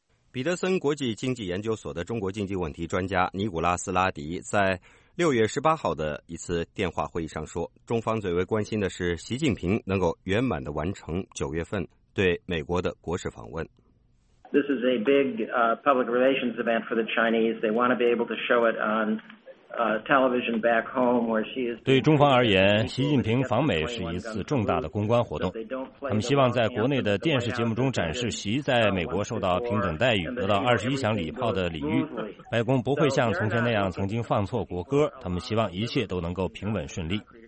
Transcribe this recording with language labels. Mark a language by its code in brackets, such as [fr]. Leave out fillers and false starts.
[zh] 彼得森国际经济研究所的中国经济问题专家尼古拉斯·拉迪在6月18号的一次电话会议上说，中方最为关心的是习近平能够圆满地完成9月份对美国的国事访问。 [en] This is a big public relations event for the Chinese. They want to be able to show it on television back home where she is. [zh] 对中方而言，习近平访美是一次重大的公关活动。他们希望在国内的电视节目中展示习在美国受到平等待遇、得到21响礼炮的礼遇。白宫不会像从前那样曾经放错国歌。他们希望一切都能够平稳顺利。